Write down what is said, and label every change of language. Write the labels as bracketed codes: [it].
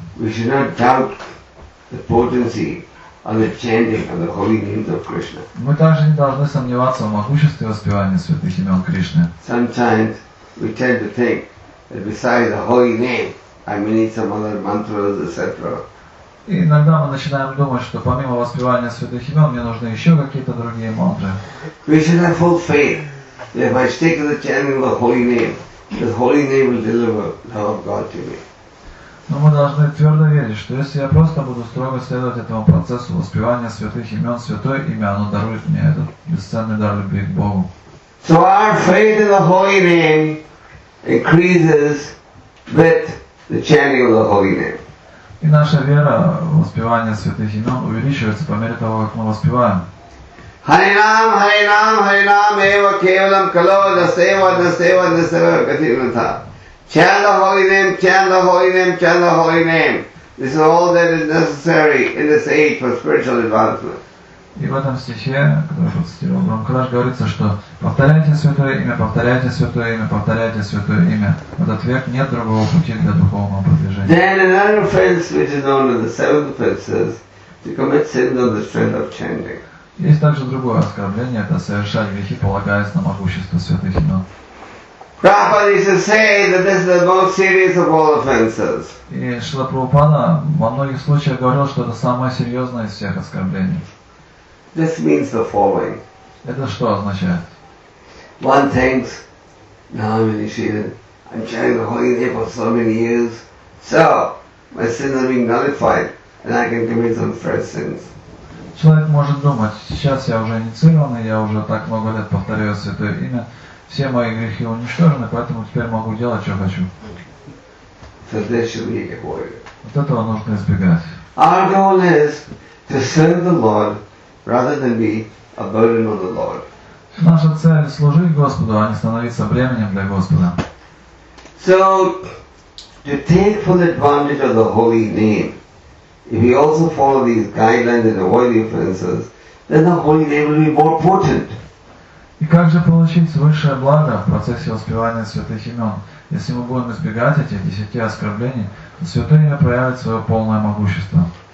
[en] We should not doubt the potency of the chanting of the holy names of Krishna. [ru] Мы также не должны сомневаться в могуществе воспевания святых имен Кришны. [en] Sometimes we tend to think that besides the holy name, I may need some other mantras, etc. [ru] И иногда мы начинаем думать, что помимо воспевания святых имен, мне нужны еще какие-то другие мантры. [en] We should have full faith that if I stick to the chanting of the holy name, the holy name will deliver love of God to me. [ru] Но мы должны твердо верить, что если я просто буду строго следовать этому процессу воспевания святых имен, святое имя, оно дарует мне этот бесценный дар любви к Богу. [en] So our faith in the holy name increases with the chanting of the holy name. [ru] И наша вера в воспевание святых имен увеличивается по мере того, как мы воспеваем. [sa] Харинам, Харинам, Харинам, Эва, Кевалам, Кало, Дасева, Дасева, Дасева, Гатирната. [en] Chant the holy name, chant the holy name, chant the holy name. This is all that is necessary in this age for spiritual advancement. [ru] И в этом стихе, который процитировал Брамкараш, говорится, что повторяйте святое имя, повторяйте святое имя, повторяйте святое имя. В этот век нет другого пути для духовного продвижения. [en] Then another offense which is known as the seventh offense is to commit sin on the strength of chanting. [ru] Есть также другое оскорбление, это совершать грехи, полагаясь на могущество святых имен. [en] Prabhupada used to say that this is the most serious of all offenses. [ru] И Шрила Прабхупада во многих случаях говорил, что это самое серьезное из всех оскорблений. [en] This means the following. [ru] Это что означает? [en] One thinks, now I'm initiated, I'm chanting the holy name for so many years, so my sins are being nullified and I can commit some fresh sins. [ru] Человек может думать, сейчас я уже инициированный, я уже так много лет повторяю святое имя, все мои грехи уничтожены, поэтому теперь могу делать, что хочу. [en] So this should be avoided. [ru] Вот этого нужно избегать. [en] Our goal is to serve the Lord rather than be a burden on the Lord. [ru] Наша цель служить Господу, а не становиться бременем для Господа. [en] So, to take full advantage of the holy name, if we also follow these guidelines and avoid the offenses, then the holy name will be more potent. [ru] И как же получить высшее благо в процессе воспевания святых имен? Если мы будем избегать этих 10 оскорблений, то святое имя проявит свое полное могущество.